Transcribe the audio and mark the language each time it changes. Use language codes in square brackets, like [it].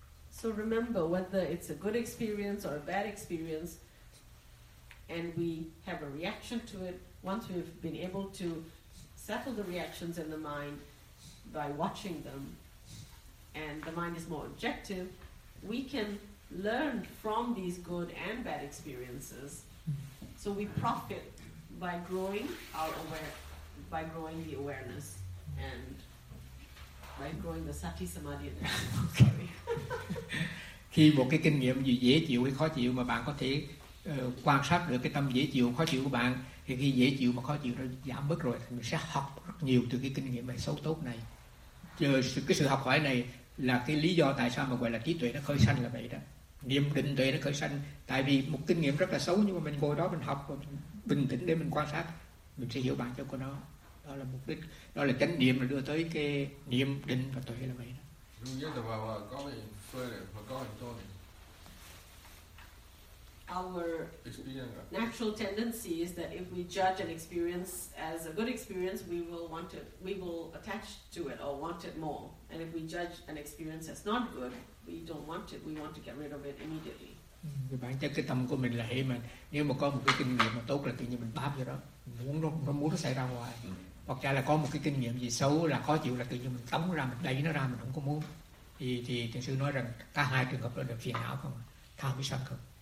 [en] So remember, whether it's a good experience or a bad experience, and we have a reaction to it, once we've been able to settle the reactions in the mind by watching them, and the mind is more objective, we can learn from these good and bad experiences. So we profit by growing our by growing the awareness and by growing the sati samadhi. [vi] Khi một cái kinh nghiệm gì dễ chịu hay khó chịu mà bạn có thể quan sát được cái tâm dễ chịu khó chịu của bạn, thì khi dễ chịu mà khó chịu nó giảm bớt rồi, thì mình sẽ học rất nhiều từ cái kinh nghiệm này xấu tốt này. Cái sự học hỏi này là cái lý do tại sao mà gọi là trí tuệ nó khởi sanh là vậy đó. Niềm định tuệ nó khởi sanh tại vì một kinh nghiệm rất là xấu, nhưng mà mình ngồi đó mình học bình tĩnh để mình quan sát, mình sẽ hiểu bản chất của nó. Đó là mục đích, đó là chánh niệm, là đưa tới cái niệm định và tuệ là vậy đó. [en] Our natural tendency is that if we judge an experience as a good experience, we will want it, we will attach to it or want it more. And if we judge an experience as not good, we don't want it. We want to get rid of it immediately. [vi] Bản chất cái tâm của mình là hệ mà nếu mà có một cái kinh nghiệm mà tốt là tự nhiên mình bám vào đó, muốn nó xảy ra ngoài. hoặc là có một cái kinh nghiệm gì xấu là khó chịu là tự nhiên mình tống ra, mình đẩy nó ra, mình không có muốn. Thì thiền sư nói rằng cả hai trường hợp là được phiền não không, tham với sân không.